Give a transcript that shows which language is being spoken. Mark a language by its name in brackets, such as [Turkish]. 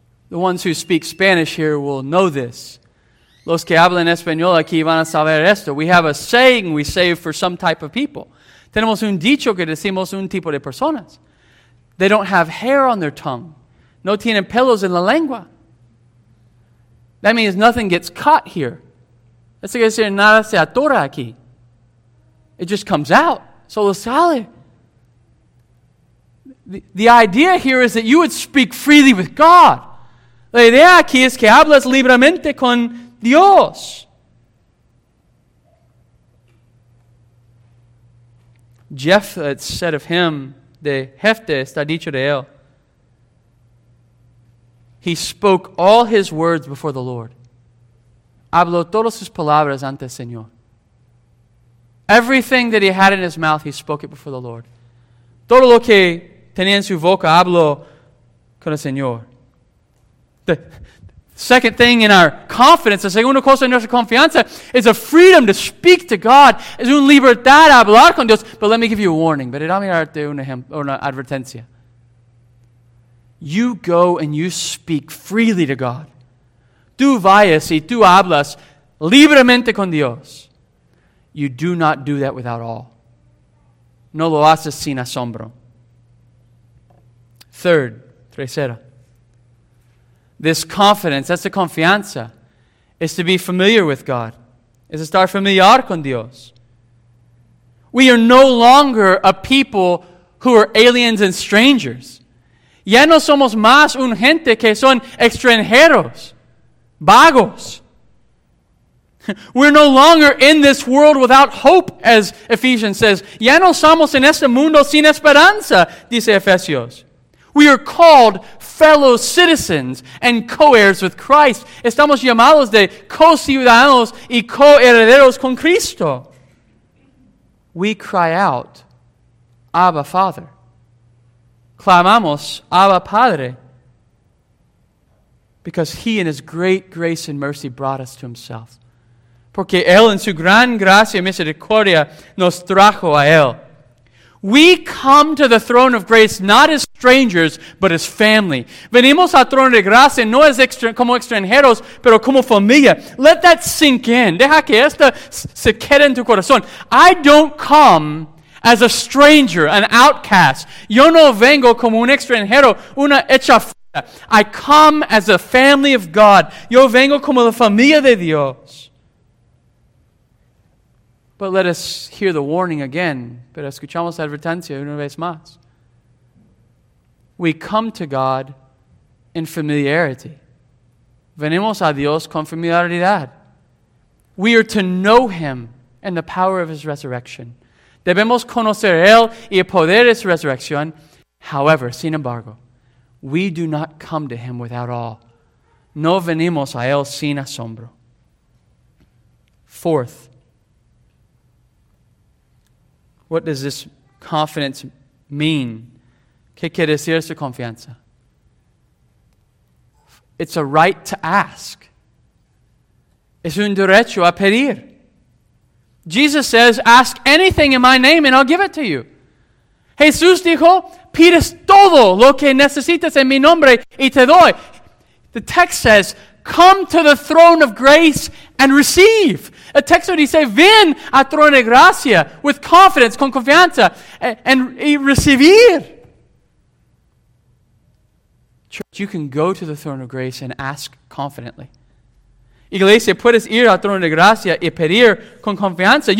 [English] The ones who speak Spanish here will know this. [Spanish] Los que hablan español aquí van a saber esto. [English] We have a saying we say for some type of people. [Spanish] Tenemos un dicho que decimos un tipo de personas. [English] They don't have hair on their tongue. [Spanish] No tienen pelos en la lengua. [English] That means nothing gets caught here. [Spanish] Eso quiere decir nada se atora aquí. [English] It just comes out. [Spanish] Solo sale. [English] The idea here is that you would speak freely with God. [Spanish] La idea aquí es que hablas libremente con Dios. [English] Jeff, it's said of him, [Spanish] de Jefte, está dicho de él. [English] He spoke all his words before the Lord. [Spanish] Habló todas sus palabras ante el Señor. [English] Everything that he had in his mouth, he spoke it before the Lord. [Spanish] Todo lo que tenía en su boca, habló con el Señor. [English] The second thing in our confidence, the [Spanish] segunda cosa en nuestra confianza, [English] is a freedom to speak to God. [Spanish] Es una libertad a hablar con Dios. [English] But let me give you a warning. [Spanish] Pero déjame darte una advertencia. [English] You go and you speak freely to God. [Spanish] Tú vayas y tú hablas libremente con Dios. [English] You do not do that without awe. [Spanish] No lo haces sin asombro. [English] Third, [Spanish] tercera. [English] This confidence, [Spanish] esta confianza, [English] is to be familiar with God. [Spanish] Es estar familiar con Dios. [English] We are no longer a people who are aliens and strangers. [Spanish] Ya no somos más un gente que son extranjeros, vagos. [English] We're no longer in this world without hope, as Ephesians says. [Spanish] Ya no somos en este mundo sin esperanza, dice Efesios. [English] We are called fellow citizens and co-heirs with Christ. [Spanish] Estamos llamados de co-ciudadanos y co-herederos con Cristo. [English] We cry out, Abba Father. [Spanish] Clamamos, Abba Padre. [English] Because He in His great grace and mercy brought us to Himself. [Spanish] Porque Él en su gran gracia y misericordia nos trajo a Él. [English] We come to the throne of grace not as strangers, but as family. [Spanish] Venimos al trono de gracia no es como extranjeros, pero como familia. [English] Let that sink in. [Spanish] Deja que esta se quede en tu corazón. [English] I don't come as a stranger, an outcast. [Spanish] Yo no vengo como un extranjero, una hecha fuera. [English] I come as a family of God. [Spanish] Yo vengo como la familia de Dios. [English] But let us hear the warning again. [Spanish] Pero escuchamos la advertencia una vez más. [English] We come to God [Spanish] en [English] familiarity. [Spanish] Venimos a Dios con familiaridad. [English] We are to know Him and the power of His resurrection. [Spanish] Debemos conocer Él y el poder de su resurrección. [English] However, [Spanish] sin embargo, [English] we do not come to Him without awe. [Spanish] No venimos a Él sin asombro. [English] Fourth, what does this confidence mean? [Spanish] ¿Qué quiere decir su confianza? [English] It's a right to ask. [Spanish] Es un derecho a pedir. [English] Jesus says, ask anything in my name and I'll give it to you. [Spanish] Jesús dijo, pides todo lo que necesitas en mi nombre y te doy. [English] The text says, come to the throne of grace and receive. [Spanish] El texto dice, ven a trono de gracia [English] with confidence, [Spanish] con confianza, y recibir. [English] Church, you can go to the throne of grace and ask confidently. [Spanish] Iglesia, puedes ir al trono de gracia y pedir con confianza.